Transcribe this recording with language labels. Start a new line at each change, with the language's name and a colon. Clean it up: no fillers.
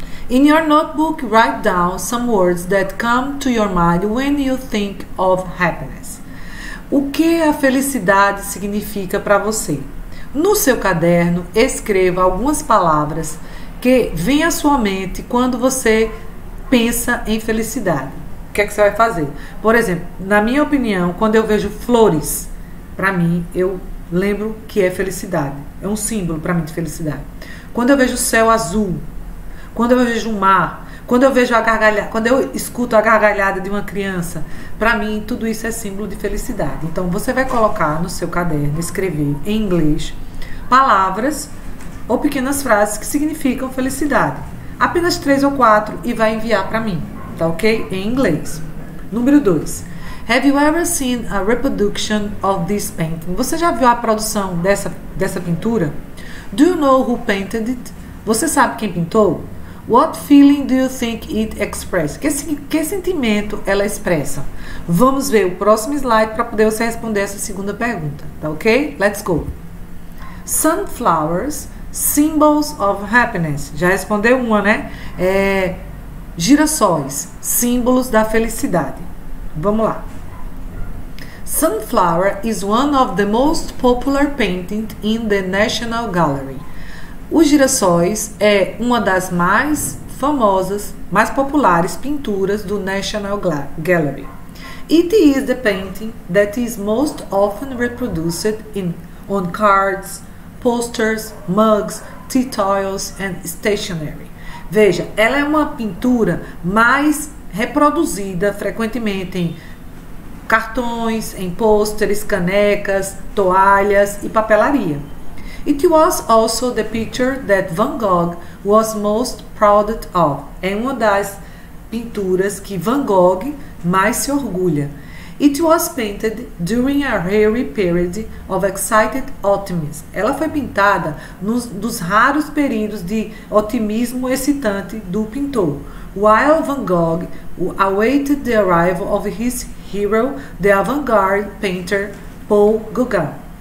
English: In your notebook, write down some words that come to your mind when you think of happiness.
Portuguese: O que a felicidade significa para você? No seu caderno, escreva algumas palavras que vêm à sua mente quando você pensa em felicidade. O que é que você vai fazer? Por exemplo, na minha opinião, quando eu vejo flores, para mim eu lembro que é felicidade. É um símbolo para mim de felicidade. Quando eu vejo o céu azul, quando eu vejo o mar, quando eu vejo a gargalhada, quando eu escuto a gargalhada de uma criança, para mim tudo isso é símbolo de felicidade. Então você vai colocar no seu caderno, escrever em inglês, palavras ou pequenas frases que significam felicidade. Apenas três ou quatro e vai enviar para mim. Tá ok? Em inglês. Número 2.
English: Have you ever seen a reproduction of this painting?
Portuguese: Você já viu a produção dessa pintura?
English: Do you know who painted it?
Portuguese: Você sabe quem pintou?
English: What feeling do you think it expresses?
Portuguese: Que sentimento ela expressa? Vamos ver o próximo slide para poder você responder essa segunda pergunta. Tá ok?
English: Let's go. Sunflowers, symbols of happiness.
Portuguese: Já respondeu uma, né? Girassóis, símbolos da felicidade. Vamos lá.
English: Sunflower is one of the most popular paintings in the National Gallery.
Portuguese: Os girassóis é uma das mais famosas, mais populares pinturas do National Gallery.
English: It is the painting that is most often reproduced on cards, posters, mugs, tea towels and stationery.
Portuguese: Veja, ela é uma pintura mais reproduzida frequentemente em cartões, em pôsteres, canecas, toalhas e papelaria.
English: It was also the picture that Van Gogh was most proud of.
Portuguese: É uma das pinturas que Van Gogh mais se orgulha.
English: It was painted during a rare period of excited optimism.
Portuguese: Ela foi pintada nos dos raros períodos de otimismo excitante do pintor.
English: While Van Gogh awaited the arrival of his hero, the avant-garde painter Paul Gauguin.